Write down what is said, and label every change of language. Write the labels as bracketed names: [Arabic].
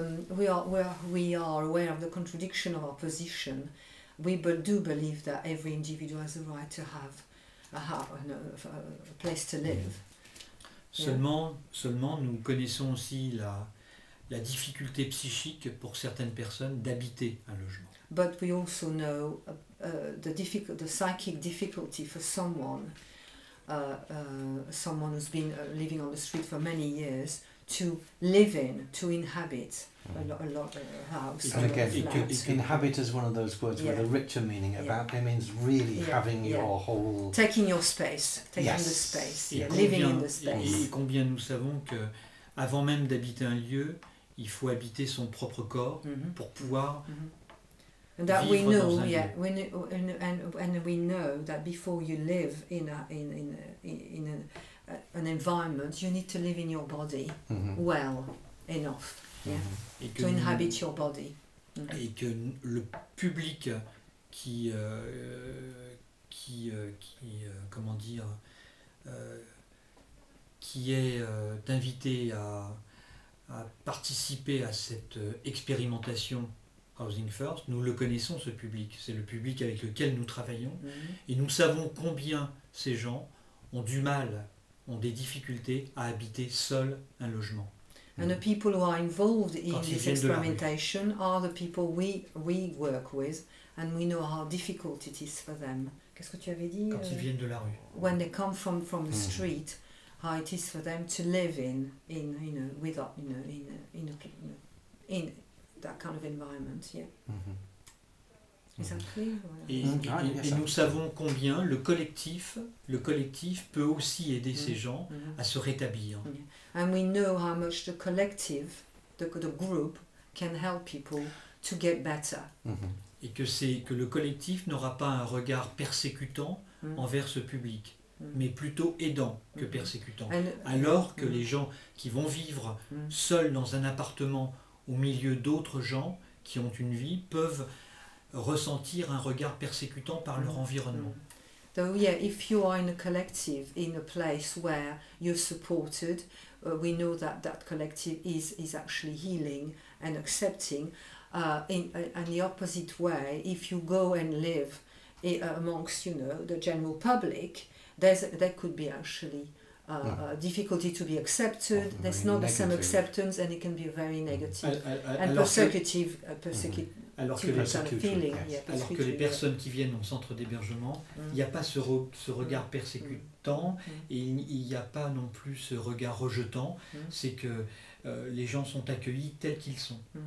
[English] We are aware of the contradiction of our position. We do believe that every individual has the right to have a place to live. [French] Seulement, nous connaissons aussi la difficulté psychique pour certaines personnes d'habiter un logement. [English] But we also know the psychic difficulty for someone who's been living on the street for many years to live in, to inhabit a house. And again, inhabit is one of those words with a richer meaning about. It means really having your whole. Taking your space, the space, living in the space. [French] Et combien nous savons que, avant même d'habiter un lieu, il faut habiter son propre corps mm-hmm. pour pouvoir mm-hmm. [English] that [French] vivre [English] we know, [French] dans un yeah. lieu. [English] And we know that before you live in an environment, you need to live in your body mm-hmm. well enough mm-hmm. yeah, to inhabit your body. Mm-hmm. [French] Et que le public qui est invité à participer à cette expérimentation Housing First, nous le connaissons ce public, c'est le public avec lequel nous travaillons mm-hmm. et nous savons combien ces gens ont du mal, ont des difficultés à habiter seuls un logement. [English] And the people who are involved in this experimentation are the people we work with, and we know how difficult it is for them. [French] Qu'est-ce que tu avais dit? Quand ils viennent de la rue. [English] When they come from the street, how it is for them to live in that kind of environment. Yeah. Mm-hmm. Is that clear? [French] Et nous savons combien le collectif peut aussi aider ces gens à se rétablir. [English] Yeah. And we know how much the collective, the group, can help people to get better. Mm-hmm. [French] Et que c'est que le collectif n'aura pas un regard persécutant envers ce public, mais plutôt aidant que persécutant. Alors que les gens qui vont vivre seuls dans un appartement au milieu d'autres gens qui ont une vie peuvent ressentir un regard persécutant par leur environnement. [English] So yeah, if you are in a collective, in a place where you're supported, we know that collective is actually healing and accepting. In the opposite way, if you go and live amongst, you know, the general public, there could be actually difficulty to be accepted. Often there's not the same acceptance, and it can be very negative and persecutive. [French] Alors que les personnes qui viennent au centre d'hébergement, il n'y a pas ce regard persécutant et il n'y a pas non plus ce regard rejetant. C'est que les gens sont accueillis tels qu'ils sont.